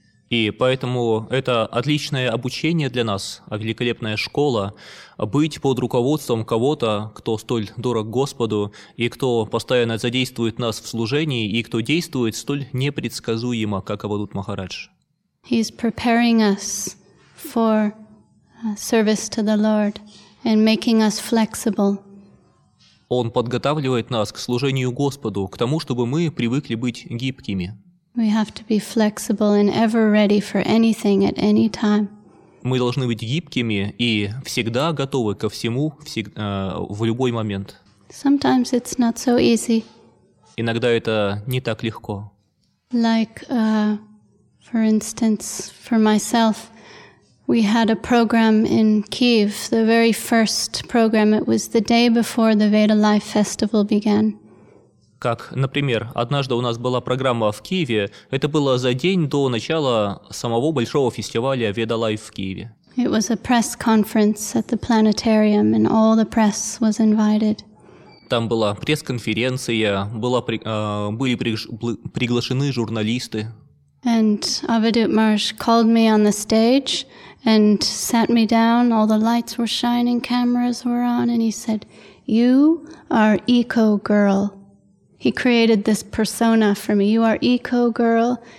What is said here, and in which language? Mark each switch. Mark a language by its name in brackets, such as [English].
[Russian] И поэтому это отличное обучение для нас, великолепная школа, быть под руководством кого-то, кто столь дорог Господу, и кто постоянно задействует нас в служении, и кто действует столь непредсказуемо, как Аводут Махарадж. [English] He is preparing us for service to the Lord and making us flexible. [Russian] Он подготавливает нас к служению Господу, к тому, чтобы мы привыкли быть гибкими. [English] We have to be flexible and ever ready for anything at any time. [Russian] Мы должны быть гибкими и всегда готовы ко всему в любой момент. [English] Sometimes it's not so easy. [Russian] Иногда это не так легко. [English] Like, for instance, for myself, we had a program in Kyiv, the very first program. It was the day before the Veda Life Festival began. [Russian] Как, например, однажды у нас была программа в Киеве, это было за день до начала самого большого фестиваля Veda Life в Киеве. [English] It was a press conference at the planetarium, and all the press was invited. [Russian] Там была пресс-конференция, были приглашены журналисты. [English] And Avadhut Maharaj called me on the stage and sat me down, all the lights were shining, cameras were on, and he said, "You are Eco Girl." He created this persona for me. You are Eco Girl.